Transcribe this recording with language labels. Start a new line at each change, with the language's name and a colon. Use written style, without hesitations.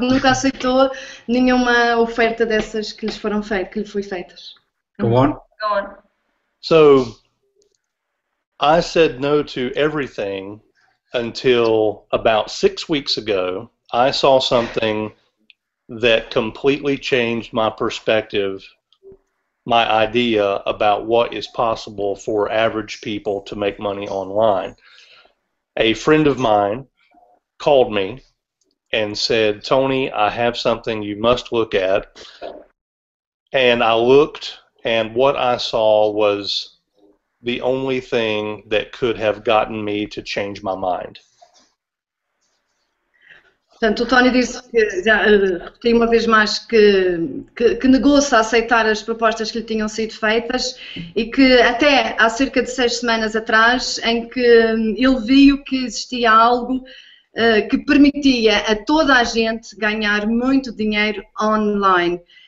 Portuguese: Nunca aceitou nenhuma oferta dessas que lhes foram feitas, que lhe foi feitas.
English: Go on. So, I said no to everything until about 6 weeks ago. I saw something that completely changed my perspective, my idea about what is possible for average people to make money online. A friend of mine called me and said, Tony, I have something you must look at. And I looked, and what I saw was the only thing that could have gotten me to change my mind.
Portuguese: Portanto, o Tony disse, repetiu uma vez mais, que negou-se a aceitar as propostas que lhe tinham sido feitas e que até há cerca de 6 semanas atrás, em que ele viu que existia algo que permitia a toda a gente ganhar muito dinheiro online.